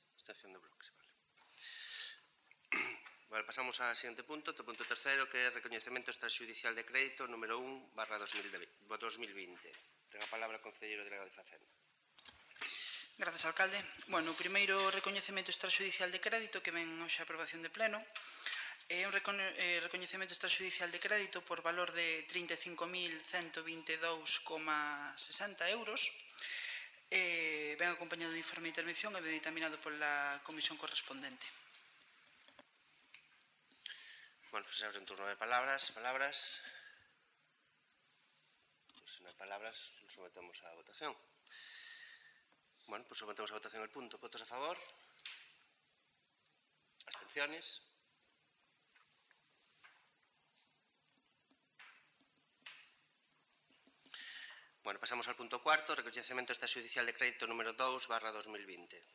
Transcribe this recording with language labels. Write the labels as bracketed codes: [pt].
[es] Abstención de bloques, vale. Vale, pasamos al siguiente punto. Este punto tercero, que es reconocimiento extrajudicial de crédito número 1/2020. Tenga palabra el concejero delegado de Facenda. Gracias, alcalde. [gl] Bueno, o primeiro recoñecemento extraxudicial de crédito que ven hoxe a aprobación de pleno é un recoñecemento extraxudicial de crédito por valor de 35.122,60 euros. Ven acompañado de informe de intervención e ben determinado pola comisión correspondente. [es] Bueno, pues se abre un turno de palabras. Palabras. [gl] Pues se non hai palabras, nos sometemos á votación. [es] Bueno, pues sometemos a votación el punto. ¿Votos a favor? ¿Abstenciones? Bueno, pasamos al punto cuarto, reconocimiento de estatus judicial de crédito número 2/2020.